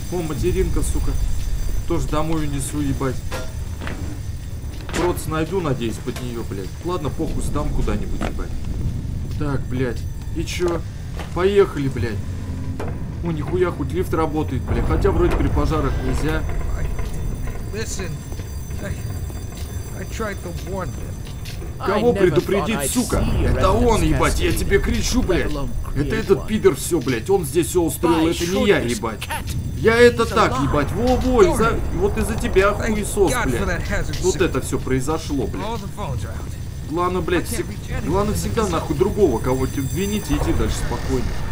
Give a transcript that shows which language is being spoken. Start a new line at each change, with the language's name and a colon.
Russian: О, материнка, сука. Тоже домой унесу, ебать. Проц найду, надеюсь, под нее, блядь. Ладно, похуй, сдам куда-нибудь, ебать. Так, блядь. И че? Поехали, блядь. О, нихуя, хоть лифт работает, блядь. Хотя вроде при пожарах нельзя.
English: Listen, I tried to warn him.
Russian: Кого предупредить, сука? Это он, ебать, я тебе кричу, блядь. Это этот пидор все, блядь, он здесь все устроил, это не я, ебать. Я это так, ебать, во-во, вот из-за тебя хуесос, блядь. Вот это все произошло, блядь. Главное, блядь, главное всегда нахуй другого кого-то обвинить и идти дальше спокойно.